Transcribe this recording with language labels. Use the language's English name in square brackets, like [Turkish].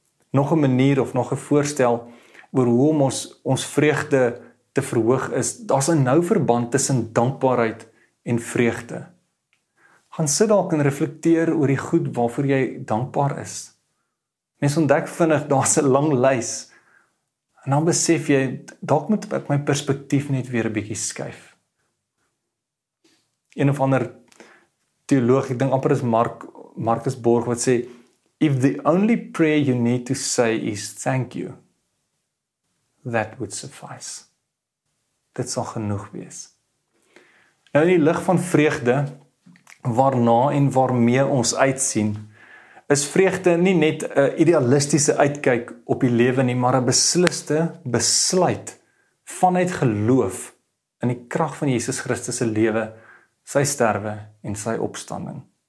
[Afrikaans] Nog 'n manier of nog 'n voorstel oor hoe om ons vreugde te verhoog is, daar's 'n nou verband tussen dankbaarheid en vreugde. Gaan sit dalk en reflekteer oor die goed waarvoor jy dankbaar is. Mens ontdek vinnig, daar's 'n lang lys. En dan besef jy, dalk moet ek my perspektief net weer 'n bietjie skuif. Een of ander teoloog, ek dink amper is Marcus Borg, wat sê, [English] if the only prayer you need to say is thank you, that would suffice. [Afrikaans] Dit sal genoeg wees. Nou in die lig van vreugde, waarna en waarmee ons uitsien, is vreugde nie net 'n idealistiese uitkyk op die lewe nie, maar 'n besliste besluit vanuit geloof in die krag van Jesus Christus se lewe, sy sterwe en sy opstanding.